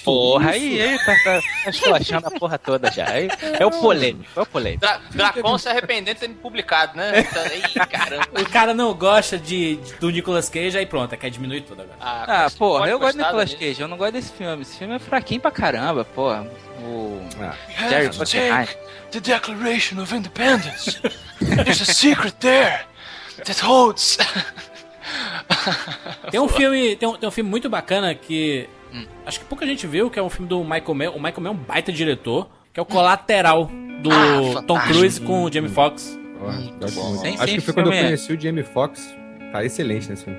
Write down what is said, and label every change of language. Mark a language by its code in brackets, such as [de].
[pt] porra, aí tá esculachando a porra toda já. É o polêmico. Dracon se arrependendo de ter me publicado, né? O cara não gosta do Nicolas Cage, aí pronto, quer diminuir tudo agora. Ah porra, eu gosto do Nicolas Cage, eu não gosto desse filme. Esse filme é fraquinho pra caramba, porra. Jerry Bruckheim. [en] The Declaration of Independence. There's a secret there that holds... [pt] tem um filme muito bacana que acho que pouca gente viu, que é um filme do Michael Mann. O Michael Mann é um baita diretor, que é o Colateral do Tom Cruise com o Jamie Foxx. Acho que foi quando eu conheci o Jamie Foxx. Tá excelente nesse filme.